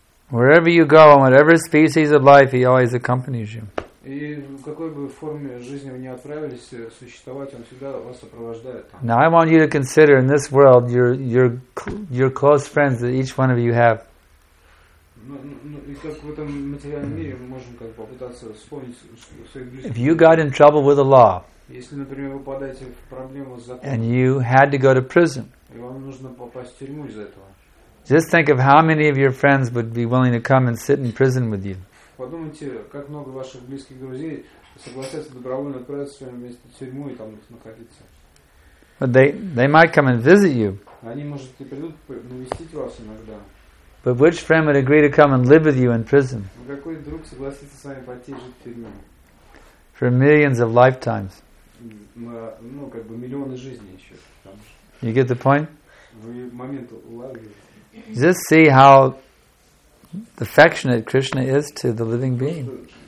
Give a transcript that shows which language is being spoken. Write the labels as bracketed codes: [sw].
[en] Wherever you go, on whatever species of life, he always accompanies you. [ru] И в какой бы форме жизни вы ни отправились существовать, он всегда вас сопровождает. [en] Now I want you to consider in this world your close friends that each one of you have. [ru] Ну и как в этом материальном мире мы можем как попытаться вспомнить своих близких. [en] If you got in trouble with the law, [ru] если, например, вы попадаете в проблему с законом, [en] and you had to go to prison, [ru] и вам нужно попасть в тюрьму из-за этого. [en] Just think of how many of your friends would be willing to come and sit in prison with you. [ru] Подумайте, как много ваших близких друзей согласятся добровольно отправиться с вами вместе в тюрьму и там находиться. [en] But they might come and visit you. [ru] Они, может, и придут навестить вас иногда. [en] But which friend would agree to come and live with you in prison? [ru] Какой друг согласится с вами пойти жить в тюрьму? [en] For millions of lifetimes. [ru] Ну, как бы миллионы жизней еще. [en] You get the point? [ru] Вы момент улавливаете. [en] Just see how affectionate Krishna is to the living being.